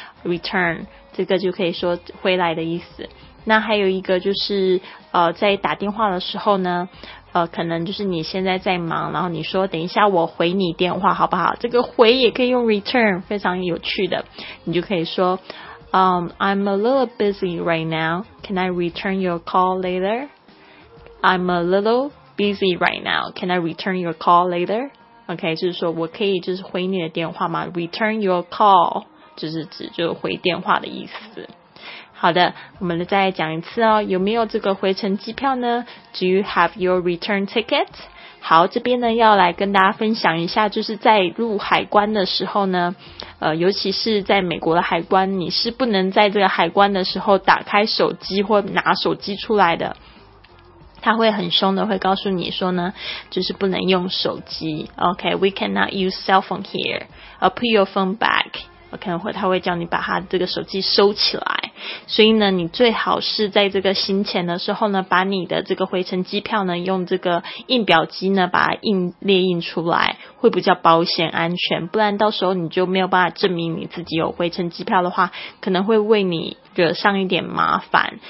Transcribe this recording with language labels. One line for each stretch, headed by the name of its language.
Chinese: Return 这个就可以说回来的意思。那还有一个就是在打电话的时候呢，可能就是你现在在忙，然后你说等一下我回你电话好不好，这个回也可以用 return， 非常有趣的，你就可以说 I'm a little busy right now, can I return your call later?
English: I'm a little busy right now, can I return your call later?
Chinese: OK， 就是说我可以就是回你的电话吗？ Return your call 就是指就回电话的意思。好的，我们再讲一次哦，有没有这个回程机票呢？
English: Do you have your return ticket?
Chinese: 好，这边呢要来跟大家分享一下，就是在入海关的时候呢，尤其是在美国的海关，你是不能在这个海关的时候打开手机或拿手机出来的，他会很凶的会告诉你说呢，就是不能用手机。
English: OK, we cannot use cell phone here, I'll put your phone back。
Chinese: 可能会他会叫你把他这个手机收起来，所以呢，你最好是在这个行前的时候呢，把你的这个回程机票呢，用这个印表机呢，把它列印出来，会比较保险安全。不然到时候你就没有办法证明你自己有回程机票的话，可能会为你惹上一点麻烦。